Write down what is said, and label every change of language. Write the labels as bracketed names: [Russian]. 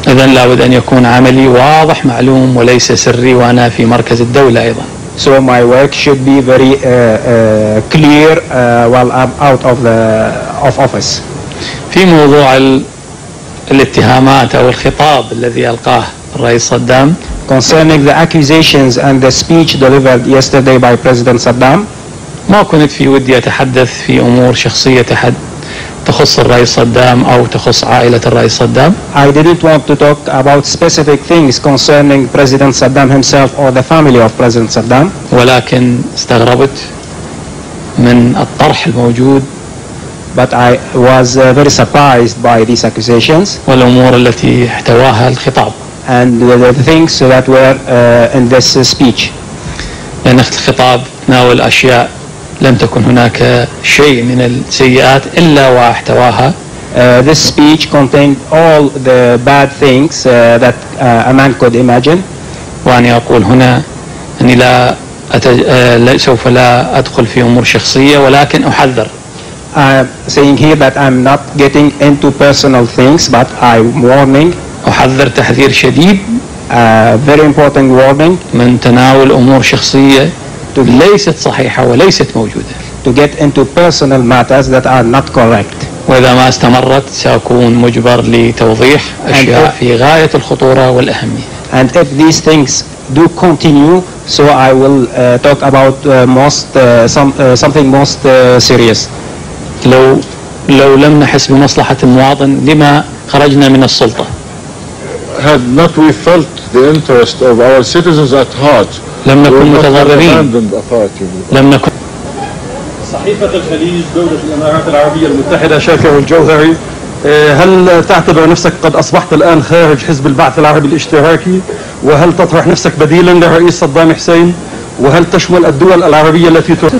[Arabic] إذن لابد أن يكون عملي واضح معلوم وليس سري وأنا في مركز الدولة أيضا. [English] So my work should be very clear while I'm out of the of office. [Arabic] في موضوع الاتهامات أو الخطاب الذي ألقاه الرئيس صدام. [English] Concerning the accusations and the speech delivered yesterday by President Saddam. [Arabic] ما كنت في ودي أتحدث في أمور شخصية أحد تخص الرئيس صدام أو تخص عائلة الرئيس صدام. [English] I didn't want to talk about specific things concerning President Saddam himself or the family of President Saddam. [Arabic] ولكن استغربت من الطرح الموجود. [English] But I was very surprised by these accusations. [Arabic] والأمور التي احتواها الخطاب. [English] And the things that were in this speech. [Arabic] لأن الخطاب ناول أشياء لم تكن هناك شيء من السيئات إلا واحتواها. [English] This speech contained all the bad things that a man could imagine. [Arabic] وأني أقول هنا أني لا سوف لا أدخل في أمور شخصية ولكن أحذر. [English] I'm saying here that I'm not getting into personal things, but I'm warning. [Arabic] أحذر تحذير شديد. [English] A very important warning. [Arabic] من تناول أمور شخصية ليست صحيحة وليست موجودة. [English] To get into personal matters that are not correct. [Arabic] وإذا ما استمرت سأكون مجبر لتوضيح أشياء في غاية الخطورة والأهمية. [English] And if these things do continue, so I will talk about something most serious. [Arabic] لو لم نحس بمصلحة المواطن لما خرجنا من السلطة. [English] Had not we felt the interest of our citizens at heart, [Arabic] لم نكن متضررين. لم نكن. صحيفة الخليج دولة الإمارات العربية المتحدة شاكر الجوهري، هل تعتبر نفسك قد أصبحت الآن خارج حزب البعث العربي الاشتراكي؟ وهل تطرح نفسك بديلا للرئيس صدام حسين؟ وهل تشمل الدول العربية التي